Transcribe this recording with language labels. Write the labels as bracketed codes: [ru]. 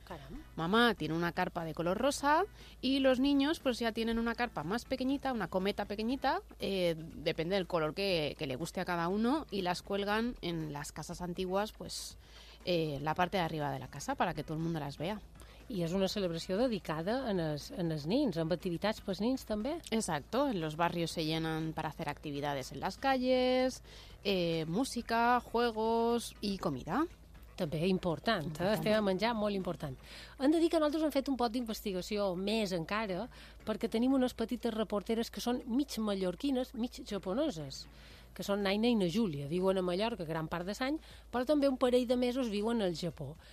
[es] caramba. Mamá tiene una carpa de color rosa y los niños pues ya tienen una carpa más pequeñita, una cometa pequeñita, depende del color que le guste a cada uno, y las cuelgan en las casas antiguas, pues la parte de arriba de la casa para que todo el mundo las vea. [ca] I és una celebració dedicada en els nins, amb activitats pels nins també. [es] Exacto, en los barrios se llenan para hacer actividades en las calles, música, juegos y comida. [ca] També important, fer menjar molt important. Hem de dir que nosaltres hem fet un pot d'investigació més encara, perquè tenim unes petites reporteres que són mig mallorquines, mig japoneses, que són Naina i na Júlia. Viuen a Mallorca gran part de l'any, però també un parell de mesos viuen al Japó.